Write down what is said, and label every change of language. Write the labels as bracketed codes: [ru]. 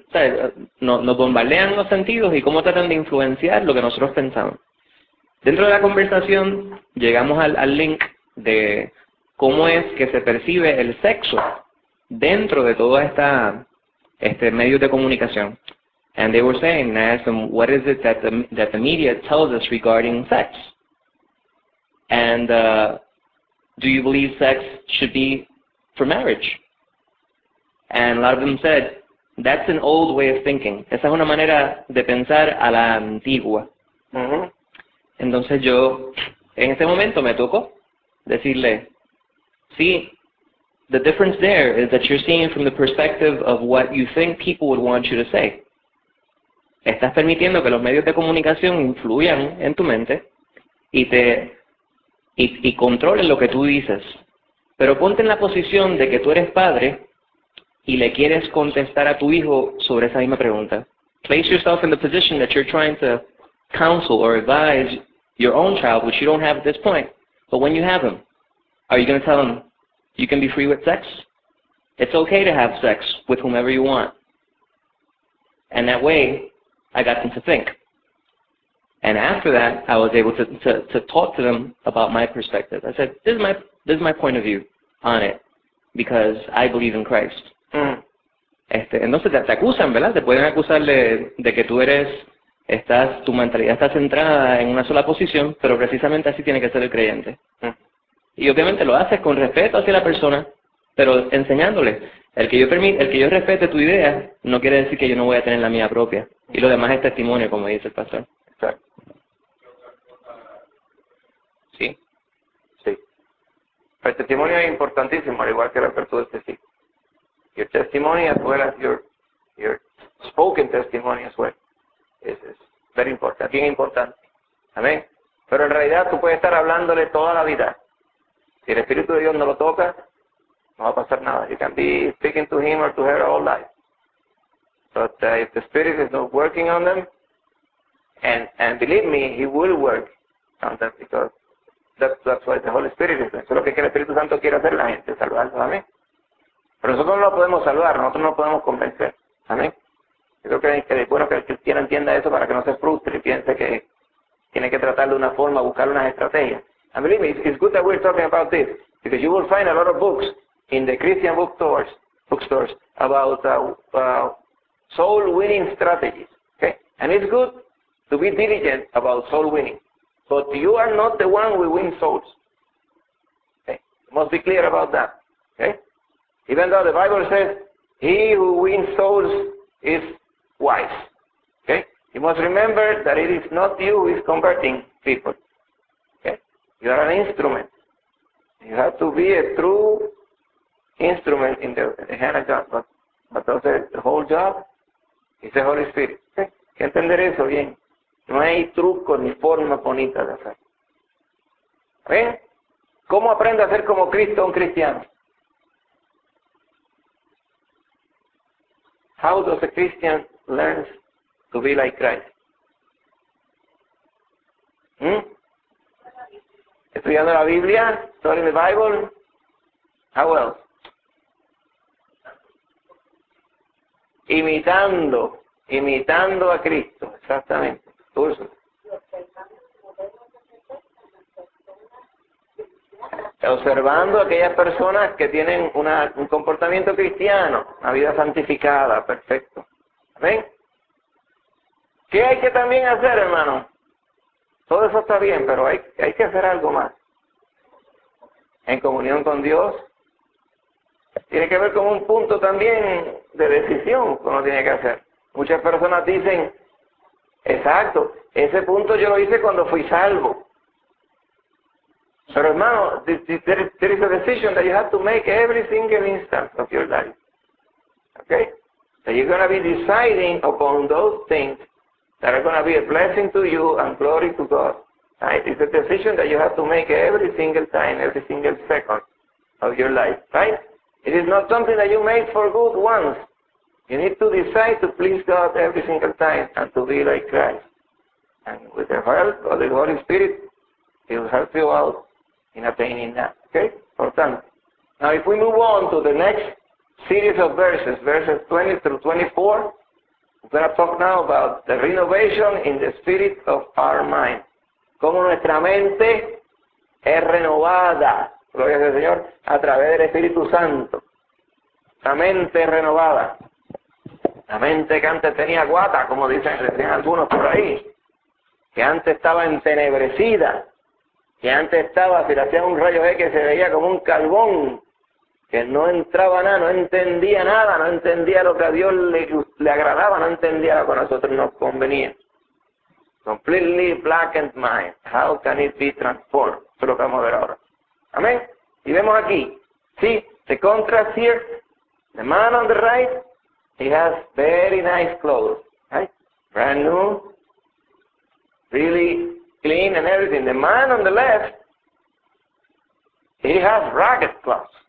[es] O sea, nos bombardean los sentidos y cómo tratan de influenciar lo que nosotros pensamos. Dentro de la conversación llegamos al link de cómo es que se percibe el sexo dentro de todo este medio de comunicación. [en] And they were saying, I asked them, what is it that the media tells us regarding sex? And do you believe sex should be for marriage? And a lot of them said, that's an old way of thinking. [es] Esa es una manera de pensar a la antigua. Mm-hmm. Entonces yo, en ese momento me tocó decirle, sí, [en] the difference there is that you're seeing from the perspective of what you think people would want you to say. [es] Estás permitiendo que los medios de comunicación influyan en tu mente y controlen lo que tú dices. Pero ponte en la posición de que tú eres padre y le quieres contestar a tu hijo sobre esa misma pregunta. [en] Place yourself in the position that you're trying to counsel or advise your own child, which you don't have at this point, but when you have him, are you going to tell him, you can be free with sex? It's okay to have sex with whomever you want. And that way, I got them to think. And after that, I was able to talk to them about my perspective. I said, this is my point of view on it, because I believe in Christ. Mm. [es] Entonces te acusan, ¿verdad? Te pueden acusar de que tú eres... tu mentalidad está centrada en una sola posición, pero precisamente así tiene que ser el creyente. Y obviamente lo haces con respeto hacia la persona, pero enseñándole. El que yo respete tu idea, no quiere decir que yo no voy a tener la mía propia. Y lo demás es testimonio, como dice el pastor. Exacto. ¿Sí? Sí. El testimonio es importantísimo, al igual que lo que tú dices, sí. [en] Your testimony as well as your spoken testimony as well. [es] Es [en] very important, [es] bien importante. Amén. Pero en realidad tú puedes estar hablándole toda la vida. Si el Espíritu de Dios no lo toca, no va a pasar nada. [en] You can be speaking to him or to her all life. But if the Spirit is not working on them, and believe me, he will work on them because that's what the Holy Spirit is doing. [es] Eso es lo que el Espíritu Santo quiere hacer la gente, salvarlos. Amén. Pero nosotros no lo podemos salvar, nosotros no lo podemos convencer. Amén. Yo creo que es bueno que el cristiano entienda eso para que no se frustre y piense que tiene que tratar de una forma, buscar unas estrategias. [en] And believe me, it's good that we're talking about this, because you will find a lot of books in the Christian bookstores about soul winning strategies. Okay? And it's good to be diligent about soul winning. But you are not the one who wins souls. Okay? Must be clear about that. Okay? Even though the Bible says, he who wins souls is wise. Okay? You must remember that it is not you who is converting people. Okay? You are an instrument. You have to be a true instrument in the hand of God. But also the whole job is the Holy Spirit. [es] Okay? Hay que entender eso bien. No hay truco ni forma bonita de hacer. ¿Ven? ¿Cómo aprende a ser como Cristo un cristiano? [en] How does a Christian learns to be like Christ? [es] Estudiando la Biblia, [en] studying the Bible. How else? [es] Imitando a Cristo, exactamente. Urso. Observando a aquellas personas que tienen un comportamiento cristiano, una vida santificada, perfecto. ¿Ven? ¿Qué hay que también hacer, hermano? Todo eso está bien, pero hay que hacer algo más. En comunión con Dios, tiene que ver con un punto también de decisión que uno tiene que hacer. Muchas personas dicen, exacto, ese punto yo lo hice cuando fui salvo. Pero hermano, [en] there is a decision that you have to make every single instance of your life. Okay? So you're going to be deciding upon those things that are going to be a blessing to you and glory to God Right? It's a decision that you have to make every single time, every single second of your life, right? It is not something that you made for good once. You need to decide to please God every single time and to be like Christ. And with the help of the Holy Spirit, He will help you out in attaining that. Okay? Important. Now if we move on to the next series of verses, verses 20 through 24, we're going to talk now about the renovation in the spirit of our mind. [es] Como nuestra mente es renovada, gloria al Señor, a través del Espíritu Santo. La mente es renovada. La mente que antes tenía guata, como dicen algunos por ahí, que antes estaba entenebrecida, que antes estaba, si le hacía un rayo X, que se veía como un carbón, que no entraba nada, no entendía nada, no entendía lo que a Dios le agradaba, no entendía lo que a nosotros nos convenía. [en] Completely blackened mind. How can it be transformed? [es] Eso es lo que vamos a ver ahora. Amén. Y vemos aquí, sí, [en] the contrast here, the man on the right, he has very nice clothes, right? Brand new, really clean and everything. The man on the left, he has ragged clothes.